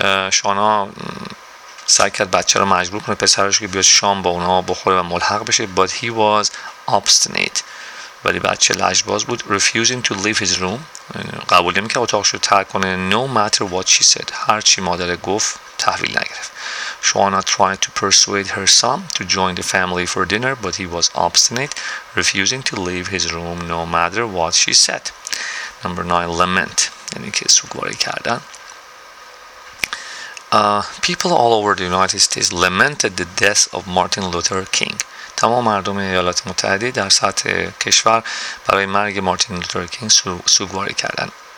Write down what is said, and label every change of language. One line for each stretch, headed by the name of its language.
Persian: شانا سعی کرد بچه رو مجبور کنه پسرش که بیاد شام با اونا بخوره و ملحق بشه.
English: But he was obstinate.
Persian: ولی بچه لجباز بود.
English: Refusing to leave his room.
Persian: قبول نمیکرد اتاقش رو ترک کنه.
English: No matter what she said.
Persian: هر چی مادر گفت تحویل نگرفت.
English: Shauna tried to persuade her son to join the family for dinner, but he was obstinate, refusing to leave his room no matter what she said. Number 9. Lament.
Persian: یعنی که سوگواری کردن.
English: People all over the United States lamented the death of Martin Luther King.
Persian: تمام مردم ایالات متحده در سطح کشور برای مرگ مارتین لوتر کینگ سوگواری کردن.